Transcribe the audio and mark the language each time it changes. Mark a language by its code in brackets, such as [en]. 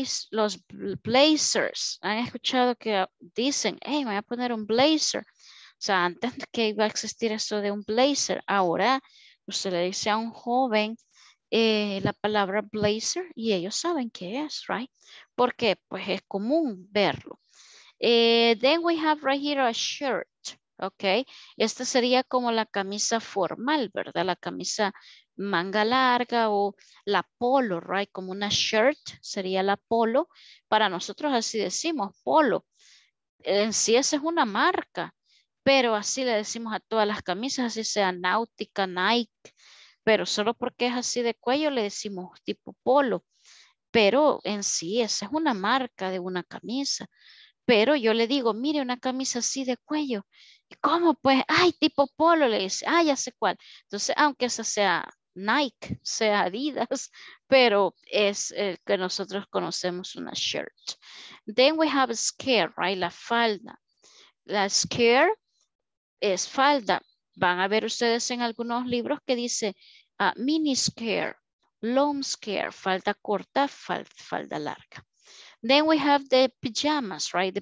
[es] Los blazers. ¿Han escuchado que dicen, hey, me voy a poner un blazer? O sea, antes que iba a existir esto de un blazer, ahora usted le dice a un joven la palabra blazer y ellos saben qué es, [en] right? [es] Porque pues es común verlo. [en] Then we have right here a shirt, okay? [es] Esta sería como la camisa formal, ¿verdad? La camisa manga larga o la polo, [en] right? [es] Como una shirt sería la polo. Para nosotros así decimos, polo. En sí esa es una marca, pero así le decimos a todas las camisas, así sea Náutica, Nike, pero solo porque es así de cuello le decimos tipo polo. Pero en sí esa es una marca de una camisa. Pero yo le digo, mire una camisa así de cuello. ¿Cómo pues? Ay, tipo polo, le dice. Ay, ya sé cuál. Entonces, aunque esa sea Nike, sea Adidas, pero es el que nosotros conocemos una shirt. [en] Then we have a skirt, right? [es] La falda. La skirt es falda. Van a ver ustedes en algunos libros que dice mini skirt, long skirt, falda corta, falda larga. [en] Then we have the pajamas, right?